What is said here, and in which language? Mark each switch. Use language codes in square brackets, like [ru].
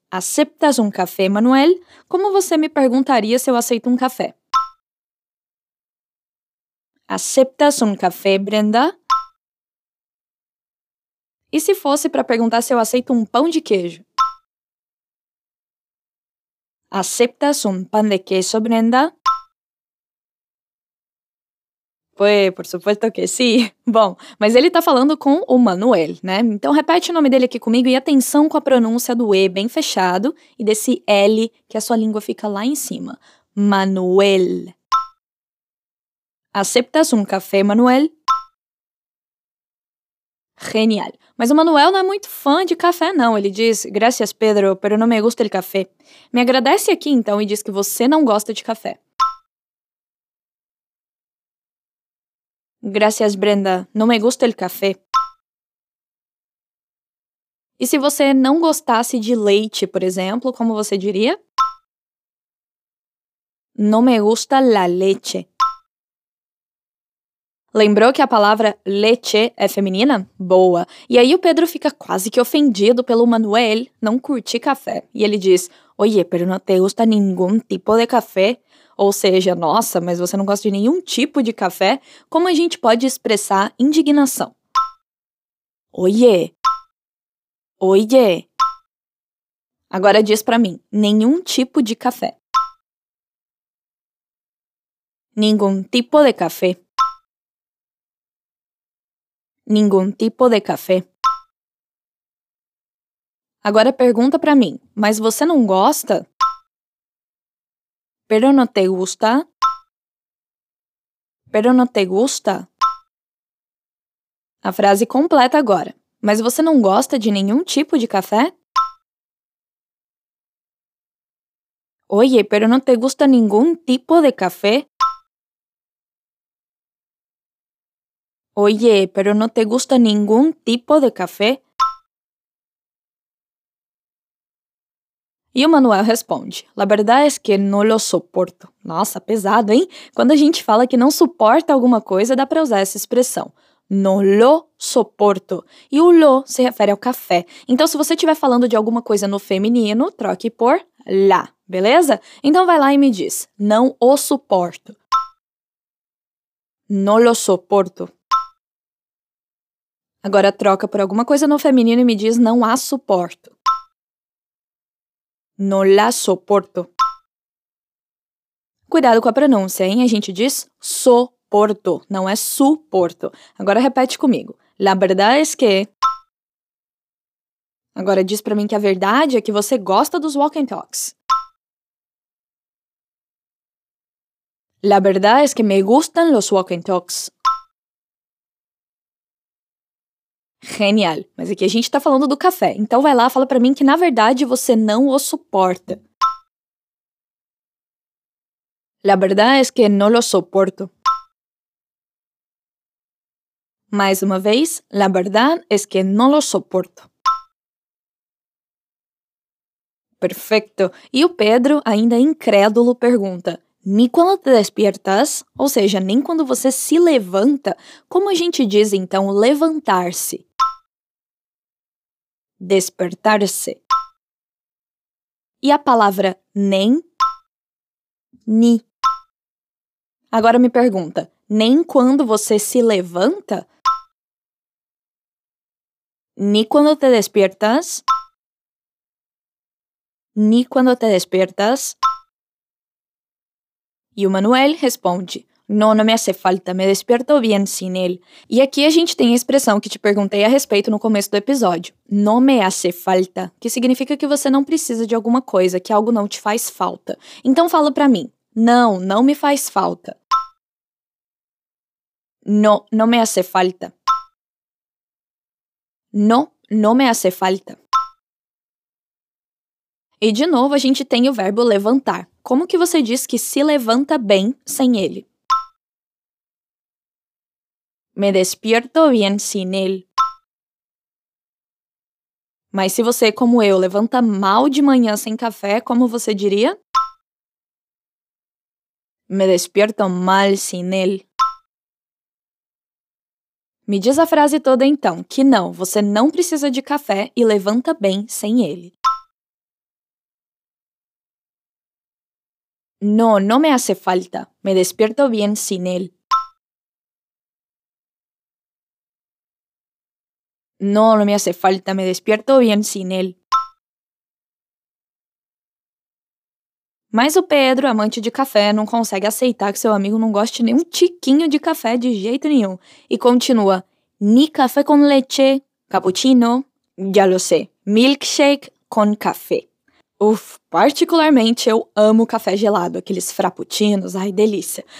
[es] ¿Aceptas un café, Manuel? ¿Cómo [pt] você [es] me preguntaría si yo [pt] aceito [es] un café? ¿Aceptas un café, Brenda? [pt] E se fosse para perguntar se eu aceito um pão de queijo? [es] ¿Aceptas un pan de queso, Brenda? Pues, por supuesto que sí. [pt] Bom, mas ele está falando com o Manuel, né? Então repete o nome dele aqui comigo e atenção com a pronúncia do E bem fechado e desse L que a sua língua fica lá em cima. [es] Manuel. ¿Aceptas un café, Manuel? [pt] Genial. Mas o Manuel não é muito fã de café, não. Ele diz, [es] gracias, Pedro, pero no me gusta el café. [pt] Me agradece aqui, então, e diz que você não gosta de café. [es] Gracias, Brenda. No me gusta el café. [pt] E se você não gostasse de leite, por exemplo, como você diria? [es] No me gusta la leche. [pt] Lembrou que a palavra leche é feminina? Boa. E aí o Pedro fica quase que ofendido pelo Manuel não curtir café. E ele diz, [es] oye, pero no te gusta ningún tipo de café. [pt] Ou seja, nossa, mas você não gosta de nenhum tipo de café. Como a gente pode expressar indignação? [es] Oye. Oye. [pt] Agora diz pra mim, nenhum tipo de café. [es] Ningún tipo de café. Ningún tipo de café. [pt] Agora pergunta pra mim, mas você não gosta? [es] Pero no te gusta? Pero no te gusta? [pt] A frase completa agora, mas você não gosta de nenhum tipo de café? [es] Oye, pero no te gusta ningún tipo de café? Oye, pero no te gusta ningún tipo de café? [pt] E o Manuel responde, [es] la verdad es que no lo soporto. [pt] Nossa, pesado, hein? Quando a gente fala que não suporta alguma coisa, dá para usar essa expressão. [es] No lo soporto. [pt] E o lo se refere ao café. Então, se você estiver falando de alguma coisa no feminino, troque por la, beleza? Então, vai lá e me diz, não o suporto. [es] No lo soporto. [pt] Agora troca por alguma coisa no feminino e me diz não a suporto. [es] No la soporto. [pt] Cuidado com a pronúncia, hein? A gente diz soporto, não é suporto. Agora repete comigo. [es] La verdad es que... [pt] Agora diz pra mim que a verdade é que você gosta dos walk and talks. [es] La verdad es que me gustan los walk and talks. [pt] Genial. Mas aqui a gente tá falando do café. Então vai lá, fala pra mim que na verdade você não o suporta. [es] La verdad es que no lo soporto. [pt] Mais uma vez. [es] La verdad es que no lo soporto. Perfecto. [pt] E o Pedro, ainda incrédulo, pergunta: [es] ni cuando te despiertas, [pt] ou seja, nem quando você se levanta, como a gente diz então levantar-se? Despertar-se. E a palavra nem? Ni. Agora me pergunta: nem quando você se levanta? [es] Ni cuando te despiertas? Ni cuando te despiertas? [pt] E o Manuel responde: [es] no, no me hace falta, me despierto bien sin él. [pt] E aqui a gente tem a expressão que te perguntei a respeito no começo do episódio: [es] no me hace falta, [pt] que significa que você não precisa de alguma coisa, que algo não te faz falta. Então fala pra mim: não, não me faz falta. [es] No, no me hace falta. No, no me hace falta. [pt] E de novo a gente tem o verbo levantar. Como que você diz que se levanta bem sem ele? [es] Me despierto bien sin él. [pt] Mas se você, como eu, levanta mal de manhã sem café, como você diria? [es] Me despierto mal sin él. [pt] Me diz a frase toda então, que não, você não precisa de café e levanta bem sem ele. [es] No, no me hace falta. Me despierto bien sin él. No, no me hace falta. Me despierto bien sin él. [pt] Mas o Pedro, amante de café, não consegue aceitar que seu amigo não goste nem um tiquinho de café de jeito nenhum. E continua: [es] ni café con leche, cappuccino, ya lo sé, milkshake con café. [pt] Uf, particularmente eu amo café gelado, aqueles frappuccinos, ai delícia.